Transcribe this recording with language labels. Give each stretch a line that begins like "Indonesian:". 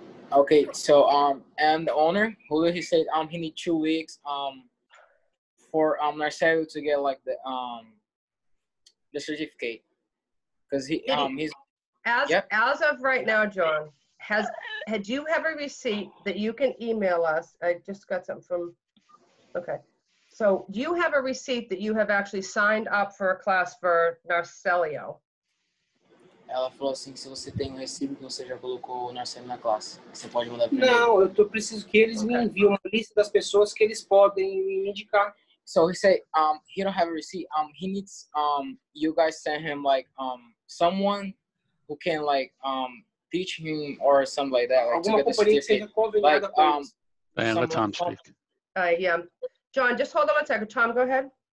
English: Okay, so and the owner, Julio, he said he need 2 weeks for Narcelo to get like the certificate, because as of right now, John, had you have a receipt that you can email us? I just got something from. Okay, so you have a receipt that you have actually signed up for a class for Narcelo.
Portuguese: Ela falou assim, se você tem um recibo que você já colocou o Narcelo na classe, você pode mandar para mim. Não, eu tô preciso que eles me enviem uma lista das pessoas que eles podem me indicar.
English: So he said he don't have a receipt. He needs you guys send him like someone who can like teach him or something like that, like to get the certificate. Like let Tom speak. John, just hold on a second. Tom, go ahead.